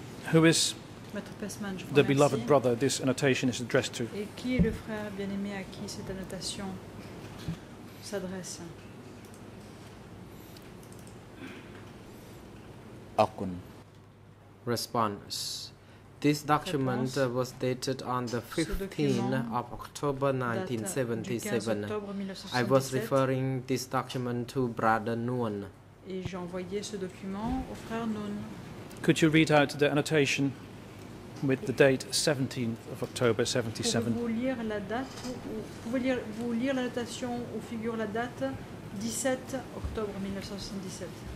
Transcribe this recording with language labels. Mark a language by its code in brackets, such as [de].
[en] Who is the beloved brother this annotation is addressed to? [fr] Et qui est le frère bien-aimé à qui cette annotation s'adresse? [en] Akun. Response. This document was dated on the 15th of October 1977. I was referring this document to Brother Nguyen. [fr] Et j'ai envoyé ce document au frère Nguyen. [en] Could you read out the annotation with the date 17th of October 77? [fr] Pouvez-vous lire la date ou pouvez-vous lire l'annotation où figure la date 17 octobre 1977?